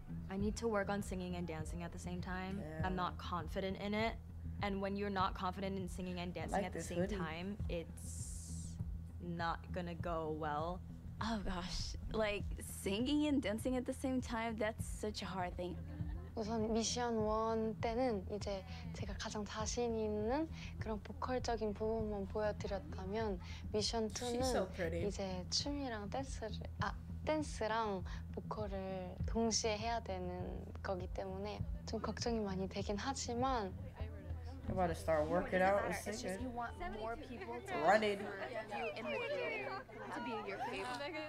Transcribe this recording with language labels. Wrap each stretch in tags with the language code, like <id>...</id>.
<en>I need to work on singing and dancing at the same time. Yeah. I'm not confident in it. And when you're not confident in singing and dancing at the same time, it's not gonna go well. Oh gosh, like singing and dancing at the same time, that's such a hard thing.</en> <ko>우선 미션 1 때는 이제 제가 가장 자신 있는 그런 보컬적인 부분만 보여드렸다면 미션 2는 이제 춤이랑 댄스를 아 댄스랑 보컬을 동시에 해야 되는 거기 때문에 좀 걱정이 많이 되긴 하지만</ko> <en>You about to start working out and singing. It's just you want more people to run it. Yeah. You in the group to be your favorite.</en>